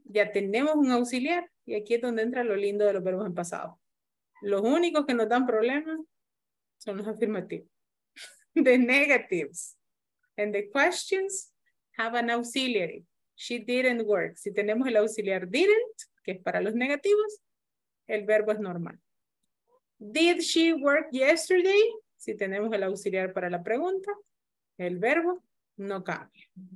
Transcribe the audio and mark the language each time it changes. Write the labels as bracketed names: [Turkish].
[Spanish] Ya tenemos un auxiliar y aquí es donde entra lo lindo de los verbos en pasado. Los únicos que nos dan problemas son los afirmativos. [English] The negatives and the questions have an auxiliary. She didn't work. [Spanish] Si tenemos el auxiliar didn't, que es para los negativos, el verbo es normal. [English] Did she work yesterday? [Spanish] Si tenemos el auxiliar para la pregunta, el verbo no cambia.